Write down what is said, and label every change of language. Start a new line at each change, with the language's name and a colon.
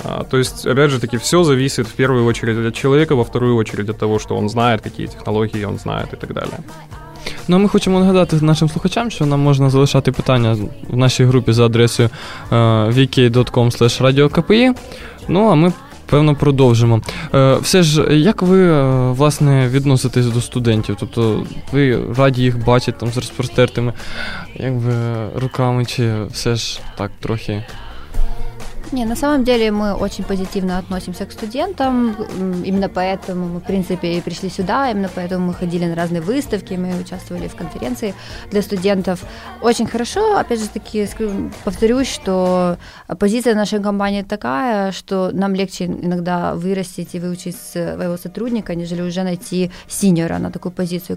Russian: То есть, опять же таки, все зависит в первую очередь от человека, во вторую очередь от того, что он знает, какие технологии он знает и так далее.
Ukrainian: Ну, ми хочемо нагадати нашим слухачам, що нам можна залишати питання в нашій групі за адресою vk.com/radiokpi. Ну, а ми певно, продовжимо. Все ж, як ви, власне, відноситесь до студентів? Тобто, ви раді їх бачити там з розпростертими, якби, руками, чи все ж так трохи?
Russian: Не, на самом деле мы очень позитивно относимся к студентам, именно поэтому мы, в принципе, и пришли сюда, именно поэтому мы ходили на разные выставки, мы участвовали в конференции для студентов. Очень хорошо, опять же таки, повторюсь, что позиция нашей компании такая, что нам легче иногда вырастить и выучить своего сотрудника, нежели уже найти синьора на такую позицию.